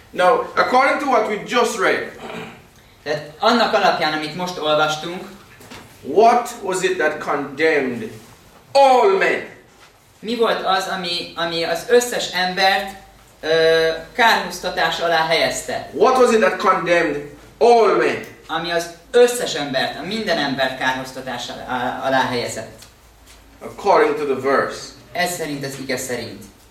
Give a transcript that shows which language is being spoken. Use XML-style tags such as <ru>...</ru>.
<en>Now, according to what we just read.</en> <hu>Tehát annak alapján, amit most olvastunk.</hu> <en>What was it that condemned all men?</en> <hu>Mi volt az, ami az összes embert kárhoztatás alá helyezte?</hu> <en>What was it that condemned all men?</en> <hu>Ami az összes embert, a minden embert kárhoztatás alá helyezett.</hu> <en>According to the verse.</en> <hu>Ez szerint az ige szerint.</hu>